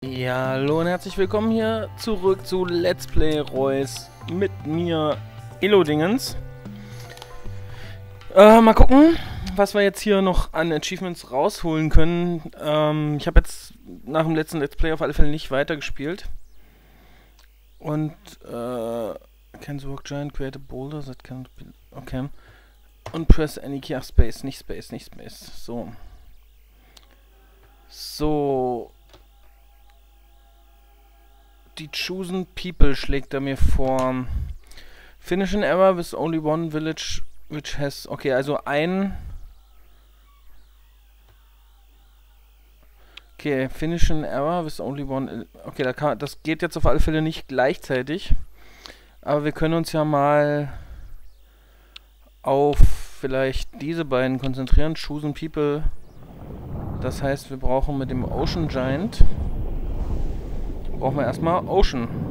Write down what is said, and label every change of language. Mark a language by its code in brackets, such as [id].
[de] Ja, hallo und herzlich willkommen hier zurück zu Let's Play Reus mit mir, Elodingens. Mal gucken, was wir jetzt hier noch an Achievements rausholen können. Ich habe jetzt nach dem letzten Let's Play auf alle Fälle nicht weitergespielt. [en] Und, Can the Rock Giant create a boulder that can't be... Okay. Und press any key... [de] Ach, Space, nicht Space, nicht Space. So. So... Die Chosen People schlägt er mir vor. [en] Finish an error with only one village which has... Okay, [de] also ein... [en] Okay, finish an error with only one... [de] Okay, da kann, das geht jetzt auf alle Fälle nicht gleichzeitig. Aber wir können uns ja mal auf vielleicht diese beiden konzentrieren. Chosen People. Das heißt, wir brauchen mit dem Ocean Giant... Brauchen wir erstmal Ocean.